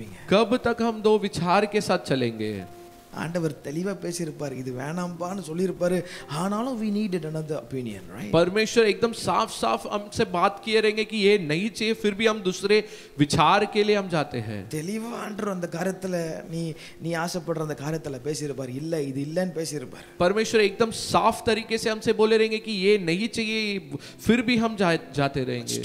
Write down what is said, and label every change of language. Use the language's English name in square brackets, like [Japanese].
[Hindi] कब तक हम दो विचार के साथ चलेंगे? [Tamil] ஆண்டவர் தெளிவா பேசி இருப்பார் இது வேணாம்பான்னு சொல்லி இருப்பார் ஆனாலும் [English] we needed another opinion right [Hindi] परमेश्वर एकदम साफ साफ हमसे बात किए रहेंगे कि ये नहीं चाहिए फिर भी हम दूसरे विचार के लिए हम जाते हैं [Tamil] தெளிவா ஆண்டவர் அந்த காரியத்துல நீ ஆசைப்படுற அந்த காரியத்துல பேசி இருப்பார் இல்ல இது இல்லன்னு பேசி இருப்பார் [Hindi] परमेश्वर एकदम साफ तरीके से हमसे बोले रहेंगे कि ये नहीं चाहिए फिर भी हम जाते रहेंगे